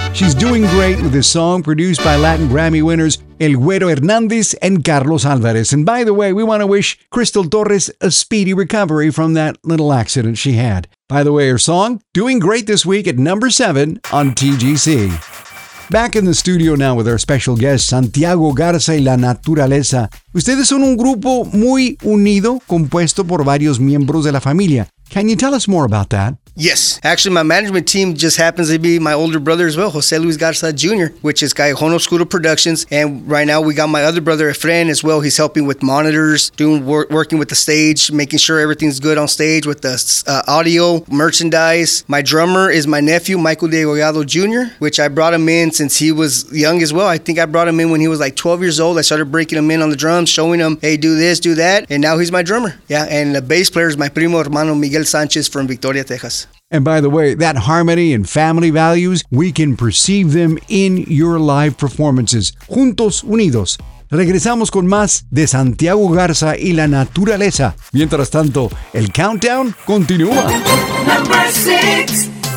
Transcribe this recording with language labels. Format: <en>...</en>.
<en>She's doing great with a song produced by Latin Grammy winners El Güero Hernández and Carlos Álvarez. And by the way, we want to wish Crystal Torres a speedy recovery from that little accident she had. By the way, her song, doing great this week at number 7 on TGC. Back in the studio now with our special guest, Santiago Garza y La Naturaleza.</en> <es>Ustedes son un grupo muy unido, compuesto por varios miembros de la familia.</es> <en>Can you tell us more about that? Yes. Actually, my management team just happens to be my older brother as well, Jose Luis Garza Jr., which is Callejón Oscuro Productions. And right now we got my other brother, Efren, as well. He's helping with monitors, doing working with the stage, making sure everything's good on stage with the audio, merchandise. My drummer is my nephew, Michael Degollado Jr., which I brought him in since he was young as well. I think I brought him in when he was like 12 years old. I started breaking him in on the drums, showing him, hey, do this, do that. And now he's my drummer. Yeah. And the bass player is my</en> <es>primo hermano,</es> <en>Miguel Sanchez from Victoria, Texas. And by the way, that harmony and family values, we can perceive them in your live performances.</en> <es>Juntos, unidos. Regresamos con más de Santiago Garza y La Naturaleza. Mientras tanto, el countdown continúa.</es> <en>Number 6.</en>